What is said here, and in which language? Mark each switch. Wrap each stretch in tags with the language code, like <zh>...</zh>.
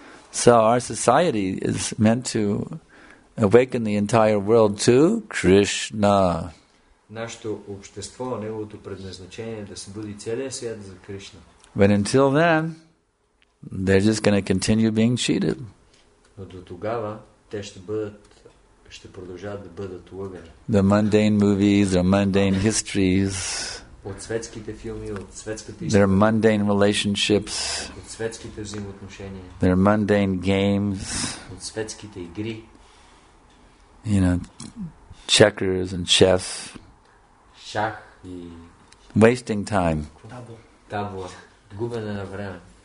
<en>So our society is meant to awaken the entire world to Krishna.</en> <bg>Нашето общество, неговото предназначение е да се буди целия свят за Кришна.</bg> <en>But until then, they're just going to continue being cheated.</en> <bg>Но до тогава те ще бъдат, ще продължават да бъдат лъгани.</bg> <en>The mundane movies, their mundane histories.</en> <bg>От светските филми, от светската история.</bg> <en>Their mundane relationships.</en> <bg>От светските взаимоотношения.</bg> <en>Their mundane games.</en> <bg>От светските игри.</bg> <en>You know, checkers and chess.</en> <bg>Шах и...</bg> <en>Wasting time.</en> <bg>Табло. Губене на време.</bg>